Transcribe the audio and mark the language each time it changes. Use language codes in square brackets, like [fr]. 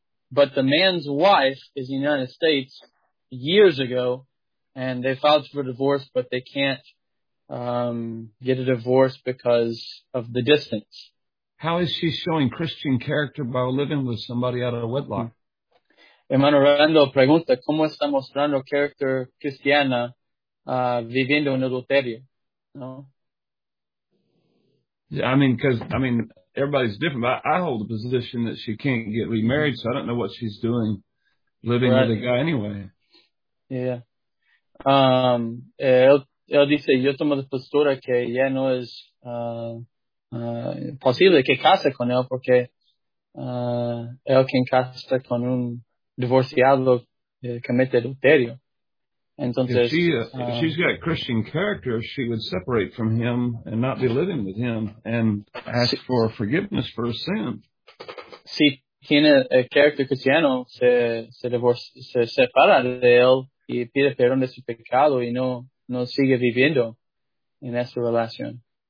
[en] But the man's wife is in the United States years ago, and they filed for divorce, but they can't get a divorce because of the distance. How is she showing Christian character by living with somebody out of wedlock? [es] Hermano Rolando pregunta, ¿cómo está mostrando carácter cristiana viviendo en adulterio? ¿No? [en] Yeah, I mean, because, I mean, everybody's different, but I hold the position that she can't get remarried, so I don't know what she's doing living right with a guy anyway. Yeah. [es] Él dice, yo tomo la postura que ya no es posible que case con él, porque él quien casa con un divorciado comete adulterio. Entonces, [en] if she's got Christian character, she would separate from him and not be living with him and ask for forgiveness for her sin. [es] Si tiene el carácter cristiano, se separa de él y pide perdón de su pecado y no sigue viviendo en esa relación.